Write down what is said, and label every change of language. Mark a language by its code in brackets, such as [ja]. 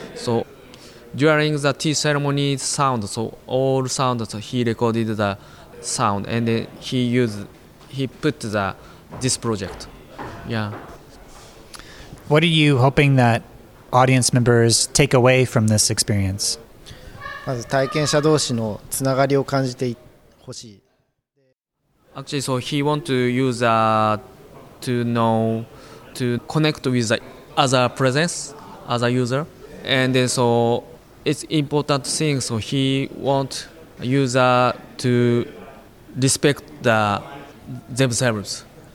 [en] So during the tea ceremony sound, so all sound, so he recorded the sound, and then he put this project. Yeah. What are you hoping that audience members take away from this experience? [ja] まず体験者同士のつながりを感じてほしい。 [en] Actually, so he want to use to know to connect with the other presence, other user, and then so it's important thing, so he want user to respect the themselves.